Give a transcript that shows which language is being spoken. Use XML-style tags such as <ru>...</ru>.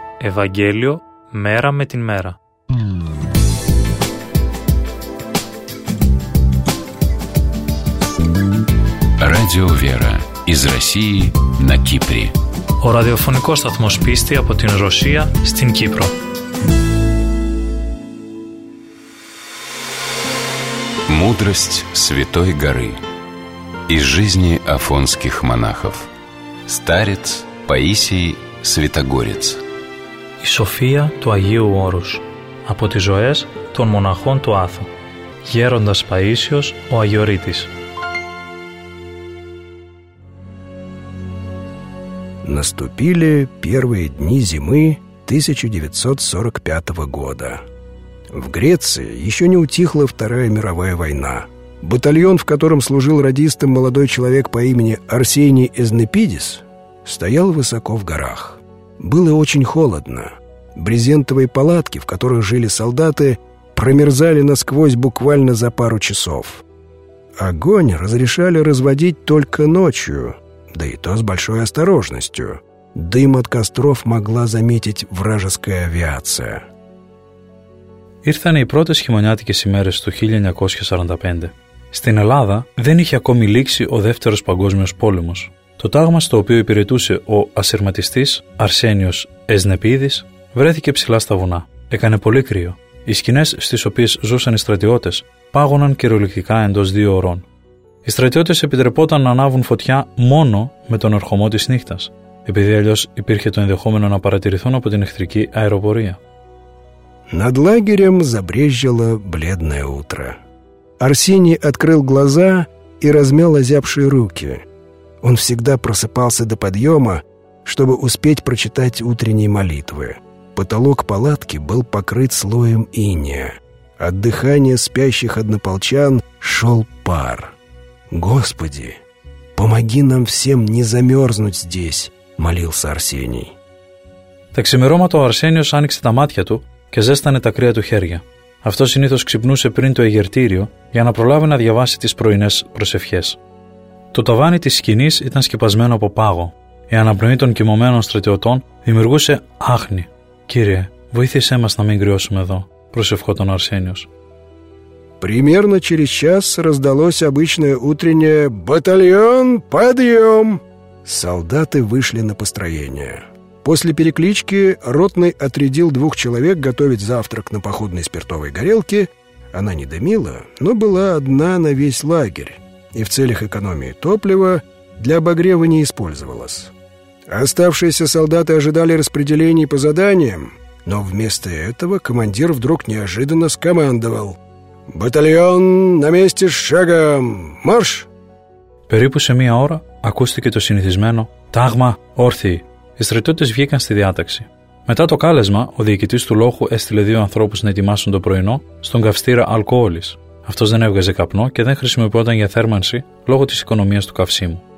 <ru>Евангелие мера</ru> <el>με την</el> <ru>мера. Радио Вера из России на Кипре.</ru> <el>О радиофонικός σταθμός πίστη από την Ρωσία στην Κύπρο.</el> <ru>Мудрость Святой горы из жизни афонских монахов. Старец Паисий Святогорец.</ru> <el>Η Σοφία του Αγίου Όρους. Από τις ζωές των μοναχών του Άθου. Γέροντας Παΐσιος ο Αγιορείτης.</el> <ru>Наступили первые дни зимы 1945 года. В Греции еще не утихла Вторая мировая война. Батальон, в котором служил радистом молодой человек по имени Арсений Эзнепидис, стоял высоко в горах. Было очень холодно. Брезентовые палатки, в которых жили солдаты, промерзали насквозь буквально за пару часов. Огонь разрешали разводить только ночью, да и то с большой осторожностью. Дым от костров могла заметить вражеская авиация.</ru> <el>Ήρθαν οι πρώτες χειμωνιάτικες ημέρες του 1945. Στην Ελλάδα δεν είχε ακόμη λήξει ο Δεύτερος Παγκόσμιος Πόλεμος. Το τάγμα στο οποίο υπηρετούσε ο ασυρματιστής Αρσένιος Εζνεπίδης βρέθηκε ψηλά στα βουνά. Έκανε πολύ κρύο. Οι σκηνές στις οποίες ζούσαν οι στρατιώτες πάγωναν κυριολεκτικά εντός δύο ωρών. Οι στρατιώτες επιτρεπόταν να ανάβουν φωτιά μόνο με τον ερχομό της νύχτας, επειδή αλλιώς υπήρχε το ενδεχόμενο να παρατηρηθούν από την εχθρική αεροπορία.</el> <ru>Над лагерем забрезжило бледное утро. Арсений открыл глаза и размял озябшие руки. Он всегда просыпался до подъема, чтобы успеть прочитать утренние молитвы. Потолок палатки был покрыт слоем инея. От дыхания спящих однополчан шел пар. «Господи, помоги нам всем не замерзнуть здесь», — молился Арсений.</ru> <el>Так ξημερώματο ο Αρσένιος άνοιξε τα μάτια του και ζέστανε τα κρύα του χέρια. Αυτό συνήθως ξυπνούσε πριν το εγερτήριο για να προλάβει να διαβάσει τις πρωινές προσευχές. Το ταβάνι της σκηνής ήταν σκεπασμένο από πάγο. Η αναπνοή των κοιμωμένων στρατιωτών δημιουργούσε άχνη. «Κύριε, βοήθησέ μας να μην κρυώσουμε εδώ», προσευχόταν τον Αρσένιος.</el> <ru>Примерно через час раздалось обычное утреннее «Батальон, подъем!» Солдаты вышли на построение. После переклички ротный отрядил двух человек готовить завтрак на походной спиртовой горелке. Она не дымила, но была одна на весь лагерь. И в целях экономии топлива для обогрева не использовалась. Оставшиеся солдаты ожидали распределений по заданиям, но вместо этого командир вдруг неожиданно скомандовал: «Батальон на месте с шагом! Марш!»</ru> <el>Περίπου σε μία ώρα ακούστηκε το συνηθισμένο «Τάγμα, όρθιοι!». Οι στρατιώτες βγήκαν στη διάταξη. Μετά το κάλεσμα, ο διοικητής του λόχου έστειλε δύο ανθρώπους να ετοιμάσουν το πρωινό στον καυστήρα αλκοόλης. Αυτός δεν έβγαζε καπνό και δεν χρησιμοποιόταν για θέρμανση λόγω της οικονομίας του καυσίμου.</el>